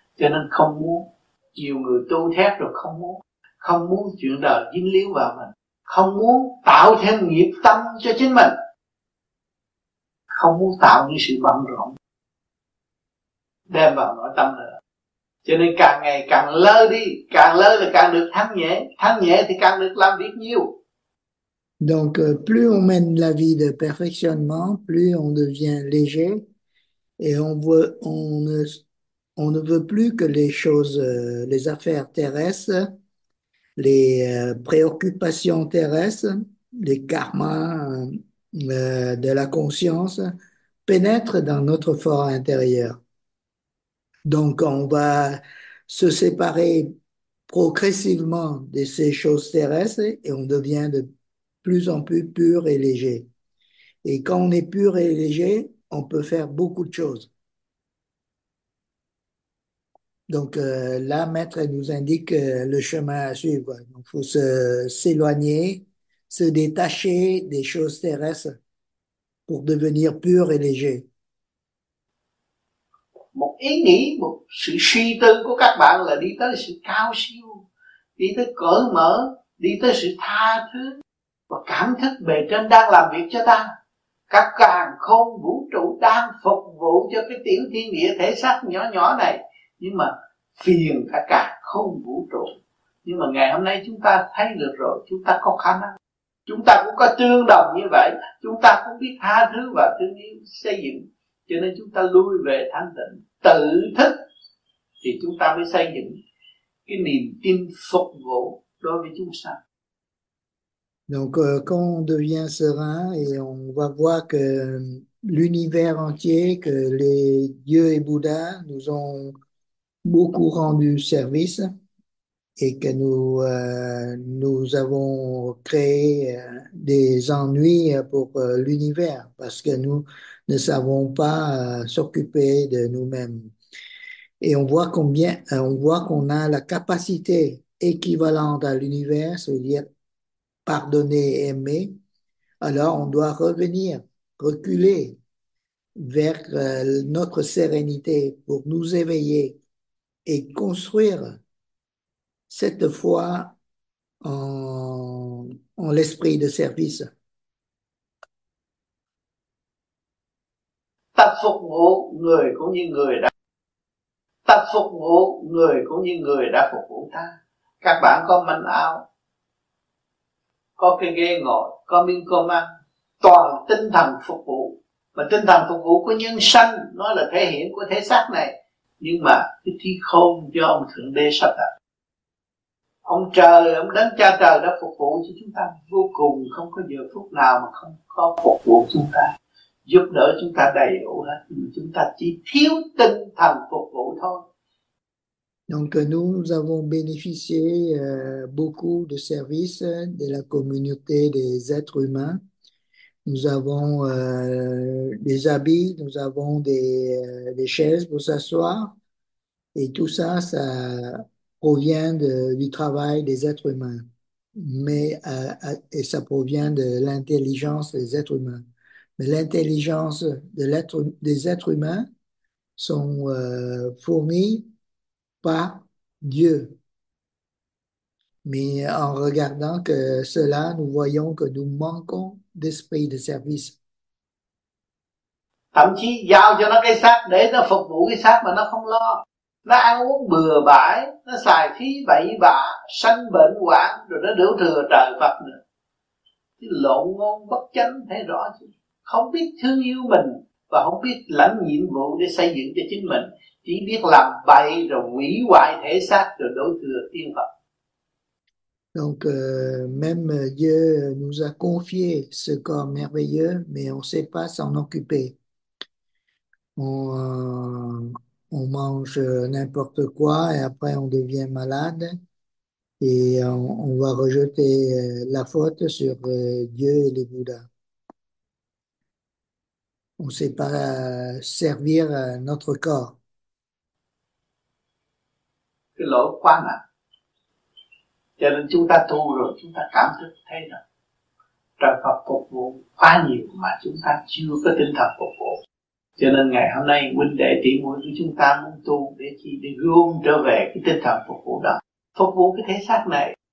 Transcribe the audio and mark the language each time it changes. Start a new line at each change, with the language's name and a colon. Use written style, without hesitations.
Vietnamese: Cho nên không muốn, nhiều người tu thét rồi không muốn chuyện đời dính líu vào mình, không muốn tạo thêm nghiệp tâm cho chính mình, không muốn tạo những sự bận rộn đem vào nội tâm nữa. Cho nên càng ngày càng lơ đi, càng lơ là càng được thanh nhẹ thì càng được làm biết nhiều.
French: Donc, plus on mène la vie de perfectionnement, plus on devient léger et on ne veut plus que les choses, les affaires terrestres, les préoccupations terrestres, les karmas de la conscience pénètrent dans notre fort intérieur. Donc, on va se séparer progressivement de ces choses terrestres et on devient de plus en plus pur et léger. Et quand on est pur et léger, on peut faire beaucoup de choses. Donc là, Maître nous indique le chemin à suivre. Il faut s'éloigner, se détacher des choses terrestres pour devenir pur et léger.
Vietnamese: Một ý nghĩ, một sự suy tư của các bạn là đi tới sự cao siêu, đi tới cởi mở, đi tới sự tha thứ và cảm thức bề trên đang làm việc cho ta. Các càn khôn vũ trụ đang phục vụ cho cái tiểu thiên địa thể xác nhỏ nhỏ này, nhưng mà phiền cả càn khôn vũ trụ. Nhưng mà ngày hôm nay chúng ta thấy được rồi, chúng ta có khả năng, chúng ta cũng có tương đồng như vậy, chúng ta cũng biết tha thứ và thương yêu xây dựng. Cho nên chúng ta lui về thanh tịnh, tự thức thì chúng ta mới xây dựng cái niềm tin phục vụ đối với chúng sanh.
French: Donc quand on devient serein et on va voir que l'univers entier, que les dieux et Bouddha nous ont beaucoup rendu service et que nous avons créé des ennuis pour l'univers parce que nous ne savons pas s'occuper de nous-mêmes. Et on voit qu'on a la capacité équivalente à l'univers, c'est-à-dire pardonner, aimer, alors on doit revenir, reculer vers notre sérénité pour nous éveiller et construire cette foi en l'esprit de service.
Vietnamese: Tập phục vụ người cũng như người đã tập phục vụ người cũng như người đã phục vụ ta. Các bạn có manh áo, có cái ghế ngồi, có miếng cơm ăn, toàn tinh thần phục vụ. Mà tinh thần phục vụ của nhân sanh, nó là thể hiện của thể xác này. Nhưng mà cái trí khôn do ông Thượng Đế sắp đặt. Ông trời, ông đấng cha trời đã phục vụ cho chúng ta vô cùng, không có giờ phút nào mà không có phục vụ chúng ta, giúp đỡ chúng ta đầy đủ hết. Chúng ta chỉ thiếu tinh thần phục vụ thôi.
French: Donc nous avons bénéficié beaucoup de services de la communauté des êtres humains. Nous avons des habits, nous avons des chaises pour s'asseoir. Et tout ça, ça provient du travail des êtres humains. Mais et ça provient de l'intelligence des êtres humains. Mais l'intelligence des êtres humains sont fournies par Dieu. Mais en regardant que cela, nous voyons que nous manquons d'esprit de service.
Vietnamese: Thậm chí giao cho nó cái xác để nó phục vụ cái xác mà nó không lo. Nó ăn uống bừa bãi, nó xài phí bậy bạ, sanh bệnh hoạn, rồi nó đổ thừa trời Phật nữa. Cái lộn ngôn bất chánh thấy rõ chứ. Không biết thương yêu mình và không biết lãnh nhiệm vụ để xây dựng cho chính mình. Chỉ biết làm bậy rồi hủy hoại thể xác rồi đổ thừa tiên Phật.
French: Donc même Dieu nous a confié ce corps merveilleux, mais on ne sait pas s'en occuper. On mange n'importe quoi et après on devient malade et on va rejeter la faute sur Dieu et les Bouddhas. On ne sait pas servir notre corps.
Vietnamese: Cho nên chúng ta tu rồi, chúng ta cảm thức thấy rằng trời Phật phục vụ quá nhiều mà chúng ta chưa có tinh thần phục vụ. Cho nên ngày hôm nay huynh đệ tỷ muội của chúng ta muốn tu để chi? Để gom trở về cái tinh thần phục vụ đó, phục vụ cái thể xác này.